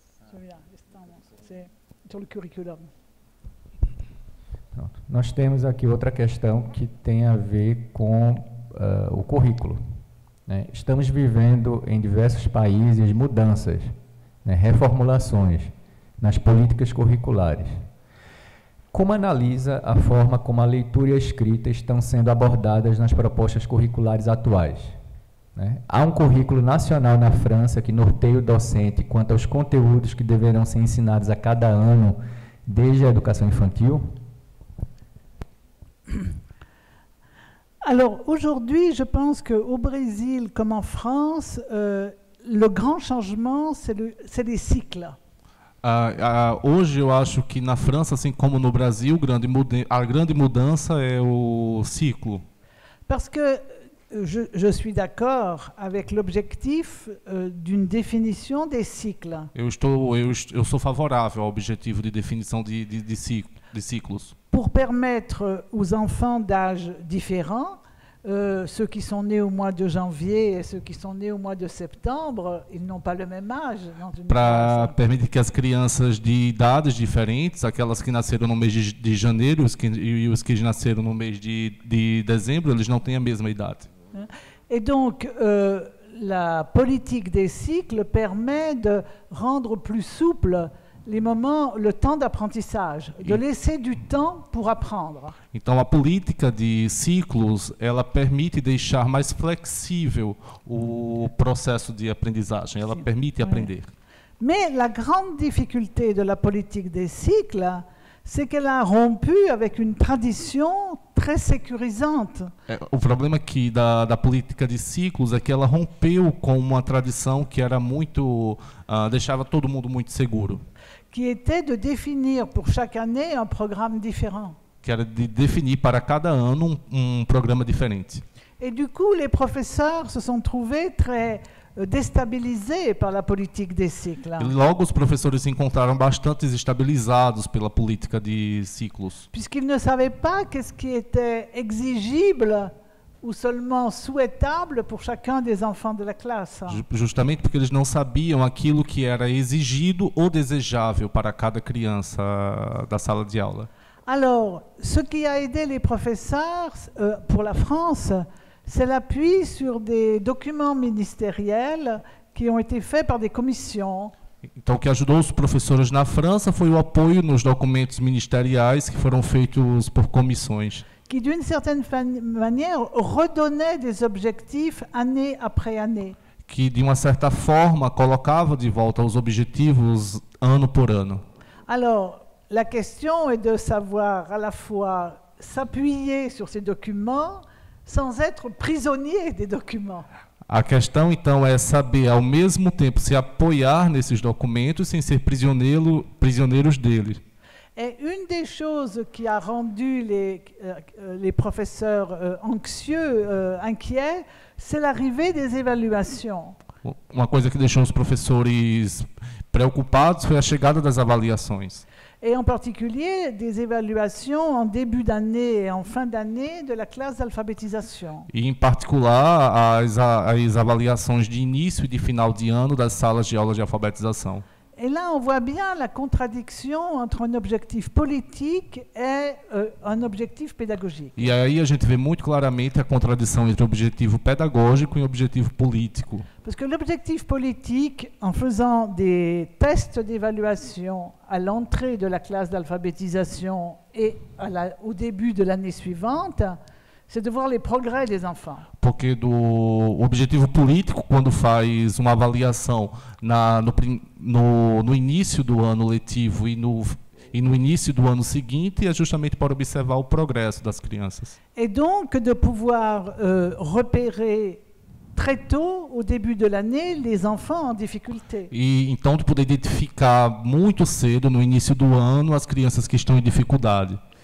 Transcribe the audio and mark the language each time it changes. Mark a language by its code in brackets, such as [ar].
[fr] Celui-là, c'est sur le curriculum. [pt] Pronto. Nós temos aqui outra questão que tem a ver com o currículo. Né? Estamos vivendo em diversos países mudanças, né? Reformulações nas políticas curriculares. Como analisa a forma como a leitura e a escrita estão sendo abordadas nas propostas curriculares atuais? Há um currículo nacional na França que norteia o docente quanto aos conteúdos que deverão ser ensinados a cada ano desde a educação infantil? [fr] Alors, aujourd'hui, je pense que au Brésil comme en France, le grand changement c'est les cycles. [pt] Hoje eu acho que na França, assim como no Brasil, a grande mudança é o ciclo. [fr] Parce que Je suis d'accord avec l'objectif d'une définition des cycles. [pt] Eu sou favorável ao objetivo de definição de ciclos. [fr] Pour permettre aux enfants d'âge différents, ceux qui sont nés au mois de janvier et ceux qui sont nés au mois de septembre, ils n'ont pas le même âge. [pt] Para permitir que as crianças de idades diferentes, aquelas que nasceram no mês de janeiro e os que nasceram no mês de dezembro, eles não têm a mesma idade. [fr] Et donc, la politique des cycles permet de rendre plus souple les moments, le temps d'apprentissage, de laisser du temps pour apprendre. [pt] Então, a política de ciclos, ela permite deixar mais flexível o processo de aprendizagem, ela permite aprender. [fr] Mais la grande difficulté de la politique des cycles, c'est qu'elle a rompu avec une tradition très sécurisante. [pt] O problema aqui da política de ciclos é que ela rompeu com uma tradição que era muito deixava todo mundo muito seguro. [fr] Qui était de définir pour chaque année un programme différent. [pt] Que era de definir para cada ano um programa diferente. [fr] Et du coup, les professeurs se sont trouvés très déstabilisés par la politique des cycles. [pt] E logo os professores se encontraram bastante desestabilizados pela política de ciclos. [fr] Puisqu'ils ne savaient pas qu'est-ce qui était exigible ou seulement souhaitable pour chacun des enfants de la classe. [pt] Justamente porque eles não sabiam aquilo que era exigido ou desejável para cada criança da sala de aula. [fr] Alors, ce qui a aidé les professeurs pour la France, c'est l'appui sur des documents ministériels qui ont été faits par des commissions. [pt] Então, o que ajudou os professores na França foi o apoio nos documentos ministeriais que foram feitos por comissões. [fr] Qui, d'une certaine manière, redonnait des objectifs année après année. [pt] Que, de uma certa forma, colocava de volta os objetivos ano por ano. [fr] Alors, la question est de savoir à la fois s'appuyer sur ces documents sans être prisonnier des documents. [pt] A questão, então, é saber, ao mesmo tempo, se apoiar nesses documentos sem ser prisioneiros deles. [fr] Et une des choses qui a rendu les professeurs anxieux, inquiets, c'est l'arrivée des évaluations. [pt] Uma coisa que deixou os professores preocupados foi a chegada das avaliações. [fr] Et en particulier des évaluations en début d'année et en fin d'année de la classe d'alphabétisation. [pt] E em particular as avaliações de início e de final de ano das salas de aula de alfabetização. [fr] Et là, on voit bien la contradiction entre un objectif politique et un objectif pédagogique. [pt] E aí a gente vê muito claramente a contradição entre o objetivo pedagógico e o objetivo político. [fr] Parce que l'objectif politique, en faisant des tests d'évaluation à l'entrée de la classe d'alphabétisation et au début de l'année suivante, c'est de voir les progrès des enfants. [pt] Porque do objetivo político, quando faz uma avaliação no início do ano letivo e no início do ano seguinte, é justamente para observar o progresso das crianças. [fr] Et donc de pouvoir repérer très tôt, au début de l'année, les enfants en difficulté. [pt] E então de poder identificar muito cedo, no início do ano, as crianças que estão em dificuldade.